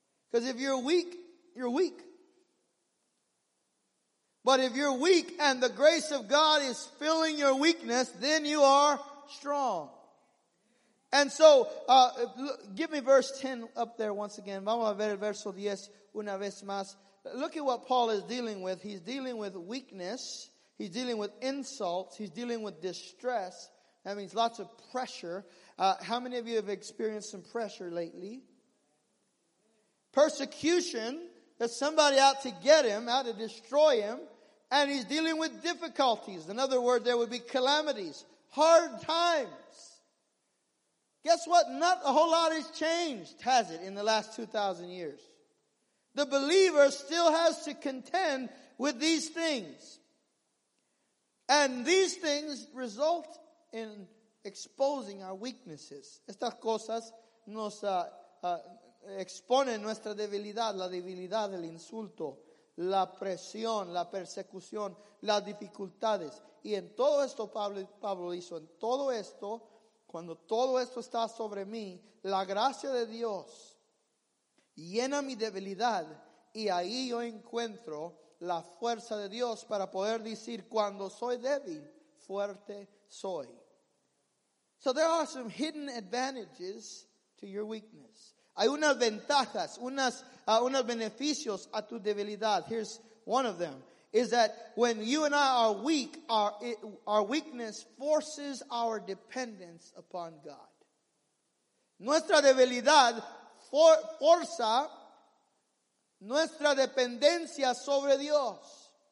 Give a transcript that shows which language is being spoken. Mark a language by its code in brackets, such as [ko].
[en] Because if you're weak, you're weak. But if you're weak and the grace of God is filling your weakness, then you are strong. And so, give me verse 10 up there once again. [es] Vamos a ver el verso 10 una vez más. [en] Look at what Paul is dealing with. He's dealing with weakness. He's dealing with insults. He's dealing with distress. That means lots of pressure. How many of you have experienced some pressure lately? Persecution. There's somebody out to get him, out to destroy him. And he's dealing with difficulties. In other words, there would be calamities. Hard times. Guess what? Not a whole lot has changed, has it, in the last 2,000 years. The believer still has to contend with these things. And these things result in exposing our weaknesses. [es] Estas cosas nos exponen nuestra debilidad, la debilidad del insulto, la presión, la persecución, las dificultades. Y en todo esto, Pablo hizo, en todo esto, cuando todo esto está sobre mí, la gracia de Dios llena mi debilidad y ahí yo encuentro la fuerza de Dios para poder decir, cuando soy débil, fuerte soy. [en] So there are some hidden advantages to your weakness. [es] Hay unas ventajas, unos beneficios a tu debilidad. [en] Here's one of them. Is that when you and I are weak, our weakness forces our dependence upon God. [es] Nuestra debilidad forza nuestra dependencia sobre Dios.